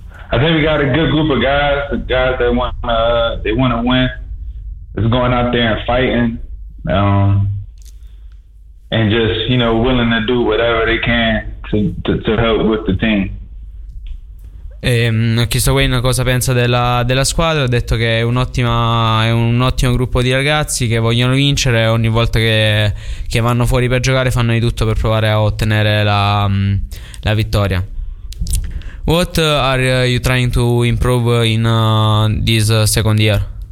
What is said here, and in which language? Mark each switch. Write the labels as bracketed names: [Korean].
[English] I think we got a good group of guys. The guys that want to win is going out there and fighting, and just, you know, willing to do whatever they can to help with the team. [Italian] Ho chiesto a Wayne cosa pensa della squadra. Ha detto che è un ottimo gruppo di ragazzi che vogliono vincere. Ogni volta che vanno fuori per giocare fanno di tutto per provare a ottenere la vittoria. [English] What are you trying to improve in this second year?